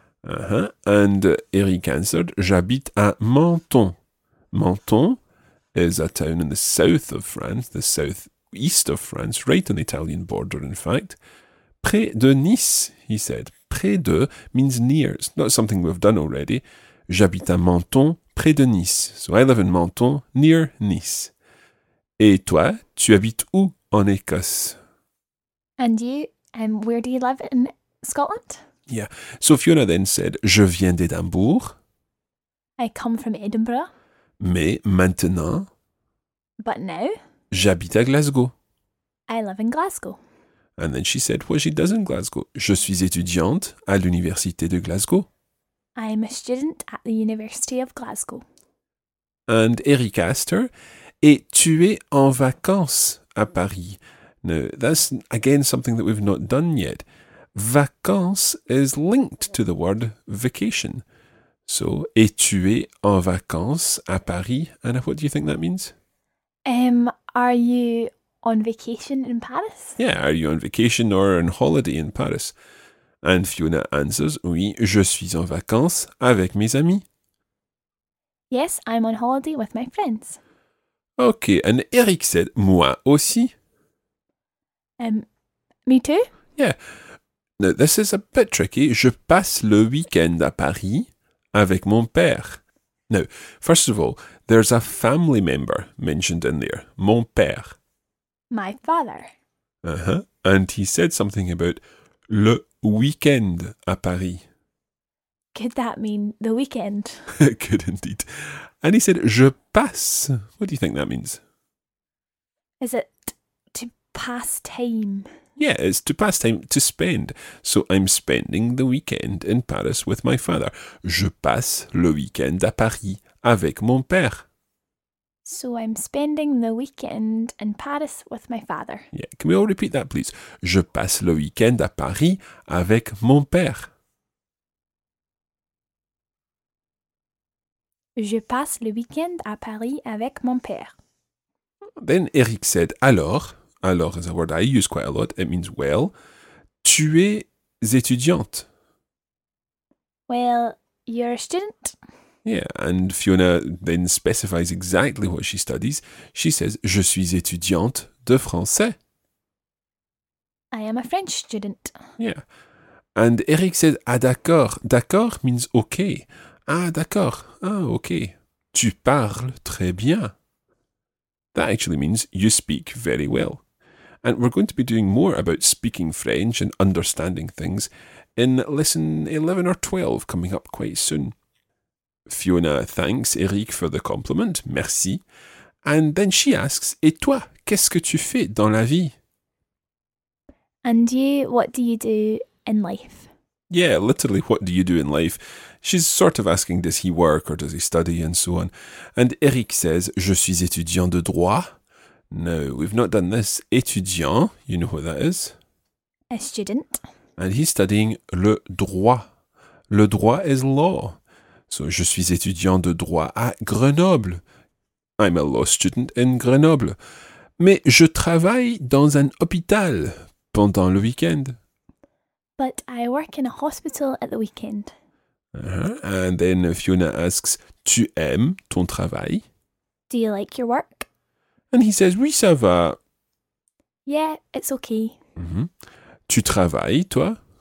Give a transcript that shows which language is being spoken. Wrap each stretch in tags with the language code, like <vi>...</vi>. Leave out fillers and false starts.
<en>And Eric answered,</en> <fr>j'habite à Menton.</fr> <en>Menton is a town in the south of France, the southeast of France, right on the Italian border, in fact.</en> <fr>Près de Nice,</fr> <en>he said.</en> <fr>Près de</fr> <en>means near. It's not something we've done already.</en> <fr>J'habite à Menton, près de Nice.</fr> <en>So I live in Menton, near Nice.</en> <fr>Et toi, tu habites où en Écosse?</fr> <en>And you, where do you live in Scotland? Yeah. So Fiona then said,</en> <fr>je viens d'Édimbourg.</fr> <en>I come from Edinburgh.</en> <fr>Mais maintenant,</fr> <en>but now,</en> <fr>j'habite à Glasgow.</fr> <en>I live in Glasgow. And then she said what she does in Glasgow.</en> <fr>Je suis étudiante à l'université de Glasgow.</fr> <en>I am a student at the University of Glasgow. And Eric asked her,</en> <fr>et tu es en vacances à Paris?</fr> <en>Now, that's again something that we've not done yet. Vacances is linked to the word vacation.</en> <fr>So, et tu es en vacances à Paris?</fr> <en>Anna, what do you think that means? Are you on vacation in Paris? Yeah, are you on vacation or on holiday in Paris? And Fiona answers,</en> <fr>oui, je suis en vacances avec mes amis.</fr> <en>Yes, I'm on holiday with my friends. Okay, and Eric said,</en> <fr>moi aussi.</fr> <en>Me too? Yeah. Now, this is a bit tricky.</en> <fr>Je passe le week-end à Paris avec mon père.</fr> <en>Now, first of all, there's a family member mentioned in there.</en> <fr>Mon père.</fr> <en>My father. And he said something about</en> <fr>le week-end à Paris.</fr> <en>Could that mean the weekend? Could indeed. And he said,</en> <fr>je passe.</fr> <en>What do you think that means? Is it to pass time? Yeah, it's to pass time, to spend. So I'm spending the weekend in Paris with my father.</en> <fr>Je passe le week-end à Paris avec mon père.</fr> <en>So I'm spending the weekend in Paris with my father. Yeah, can we all repeat that, please?</en> <fr>Je passe le week-end à Paris avec mon père. Je passe le week-end à Paris avec mon père.</fr> <en>Then Eric said, alors is a word I use quite a lot. It means well.</en> <fr>Tu es étudiante.</fr> <en>Well, you're a student. Yeah, and Fiona then specifies exactly what she studies. She says,</en> <fr>je suis étudiante de français.</fr> <en>I am a French student. Yeah. And Eric said, ah, d'accord. D'accord means okay.</en> <fr>Ah, d'accord.</fr> <en>Ah, okay.</en> <fr>Tu parles très bien.</fr> <en>That actually means you speak very well. And we're going to be doing more about speaking French and understanding things in lesson 11 or 12 coming up quite soon. Fiona thanks Eric for the compliment, merci. And then she asks,</en> <fr>et toi, qu'est-ce que tu fais dans la vie?</fr> <en>And you, what do you do in life? Yeah, literally, what do you do in life? She's sort of asking, does he work or does he study and so on. And Eric says,</en> <fr>je suis étudiant de droit.</fr> <en>No, we've not done this. Étudiant, you know what that is? A student. And he's studying le droit. Le droit is law.</en> <fr>So, je suis étudiant de droit à Grenoble.</fr> <en>I'm a law student in Grenoble.</en> <fr>Mais je travaille dans un hôpital pendant le week-end.</fr> <en>But I work in a hospital at the weekend. And then Fiona asks,</en> <fr>tu aimes ton travail?</fr> <en>Do you like your work? And he says,</en> <fr>oui, ça va.</fr> <en>Yeah, it's okay.</en> <fr>Mm-hmm. Tu travailles, toi?</fr>